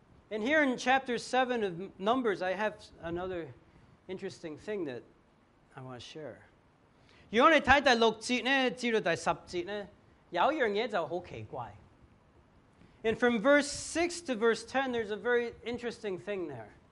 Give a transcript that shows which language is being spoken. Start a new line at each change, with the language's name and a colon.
English: And here in chapter 7 of Numbers, I have another interesting thing that I want to share.
Cantonese: 如果你睇第六節呢，至到第十節呢， 有一樣嘢就好奇怪。
English: And from verse 6 to verse 10, there's a very interesting thing there.